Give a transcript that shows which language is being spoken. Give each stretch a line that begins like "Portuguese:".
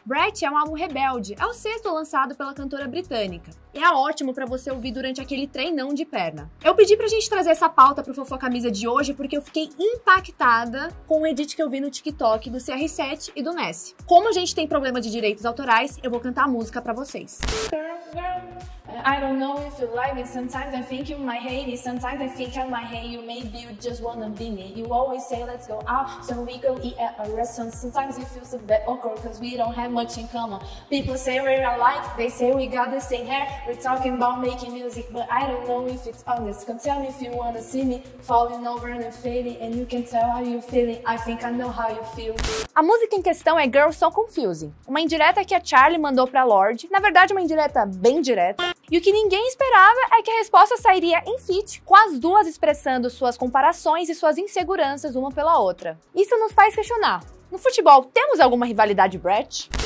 Portuguese: Brat é um álbum rebelde, é o sexto lançado pela cantora britânica. E é ótimo pra você ouvir durante aquele treinão de perna. Eu pedi pra gente trazer essa pauta pro Fofó Camisa de hoje porque eu fiquei impactada com o edit que eu vi no TikTok do CR7 e do Messi. Como a gente tem problema de direitos autorais, eu vou cantar a música pra vocês.
English: I don't know if you like me, sometimes I think you might hate me, sometimes I think I might hate you, maybe you just wanna be me. You always say let's go out, so we go eat at a restaurant, sometimes it feels a bit awkward cause we don't have much in common. People say we're alike, they say we got the same hair, we're talking about making music, but I don't know if it's honest. Come tell me if you wanna see me, falling over and fading, and you can tell how you're feeling, I think I know how you feel.
Portuguese: A música em questão é Girls So Confusing, uma indireta que a Charlie mandou pra Lorde, na verdade uma indireta bem direta. E o que ninguém esperava é que a resposta sairia em feat, com as duas expressando suas comparações e suas inseguranças uma pela outra. Isso nos faz questionar. No futebol, temos alguma rivalidade Brat?